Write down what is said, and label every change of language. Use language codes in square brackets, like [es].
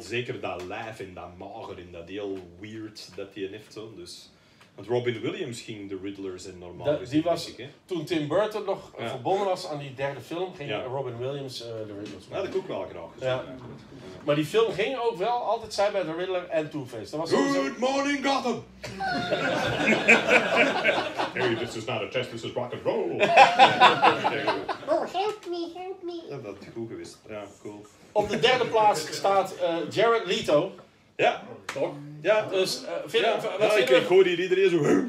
[nl] Zeker dat lijf en dat mager en dat heel weird dat hij heeft. Zo. Dus, want Robin Williams ging de Riddler zijn normaal gezien, was ik, toen Tim Burton nog verbonden was aan die derde film, ging Robin Williams de Riddler spelen. Dat had ik ook wel graag gezien. Ja. Maar die film ging ook wel altijd zijn bij de Riddler en Two-Face. Dat was [en] Good [nl] sowieso... [en] morning, Gotham! Hey, this is not a test, this is rock and roll! help me. [nl] Ja, dat is goed geweest. Ja, cool. Op de derde plaats staat Jared Leto. Ja, toch? Ja, dus ik hoor hier iedereen zo.